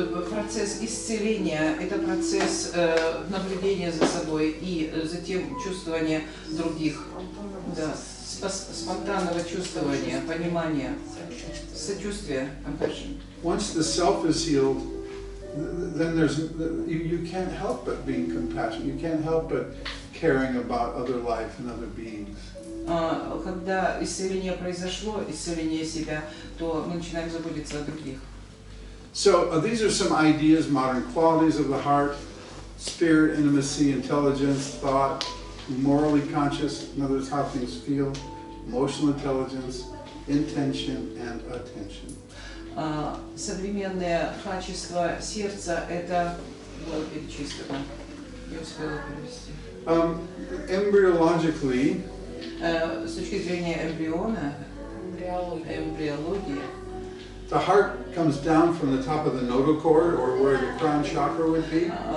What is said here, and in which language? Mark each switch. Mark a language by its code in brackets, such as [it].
[ru] Процесс исцеления – это процесс наблюдения за собой и затем чувствования других. Да, спонтанного чувствования, понимания, сочувствия, compassion. [en] Once the self is healed, then there's you can't help but being compassionate. You can't help but caring about other life and other beings. [ru] Когда исцеление произошло, исцеление себя, то мы начинаем заботиться о других. [en] So these are some ideas, modern qualities of the heart, spirit, intimacy, intelligence, thought, morally conscious, in other words, how things feel, emotional intelligence, intention, and attention. [ru] Современные качества сердца – это… Вот, перечислено. Я успела перевести. [en] Embryologically… [ru] С точки зрения эмбриона… Эмбриология. [en] The heart comes down from the top of the nodal cord, or where the crown chakra would be.